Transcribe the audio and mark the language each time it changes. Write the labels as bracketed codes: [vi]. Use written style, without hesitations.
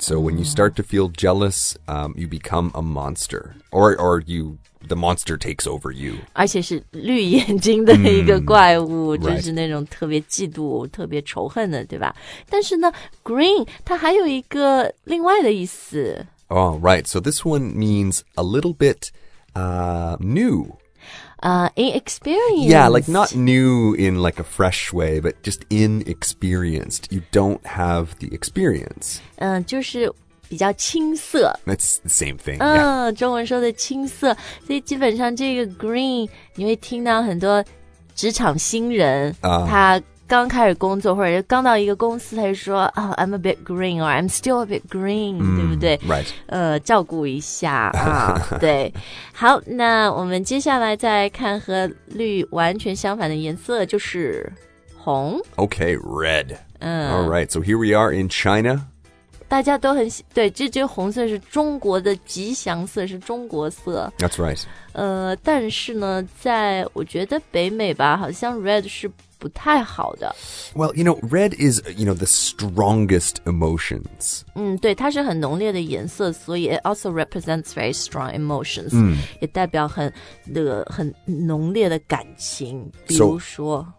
[en] So when you start to feel jealous, you become a monster. Or you, the monster takes over you. [zh] 而且是绿眼睛的一个怪物、 mm, 就是那种特别嫉妒、特别仇恨的，对吧？但是呢 green, 它还有一个另外的意思。 [en] Oh, right. So this one means a little bit new. Inexperienced. Yeah, like not new in like a fresh way, but just inexperienced. You don't have the experience. [zh] 就是比较青涩。 [en] That's the same thing. [zh] 中文说的青涩。所以基本上这个 green, 你会听到很多职场新人、他刚开始工作或者刚到一个公司，他就说、 [en] oh, I'm a bit green or I'm still a bit green、 mm, [zh] 对不对、 [en] right. [zh] 照顾一下、对，好，那我们接下来再看和绿完全相反的颜色，就是红。 [en] OK, red、Alright, so here we are in China. [zh] 大家都很对，这红色是中国的吉祥色，是中国色。 [en] That's right. [zh] 但是呢，在我觉得北美吧，好像 red 是不太好的。 [en] Well, you know, red is, you know, the strongest emotions. [zh] 对，它是很浓烈的颜色，所以 [en] it also represents very strong emotions.、 Mm. [zh] 也代表很浓烈的感情。比如说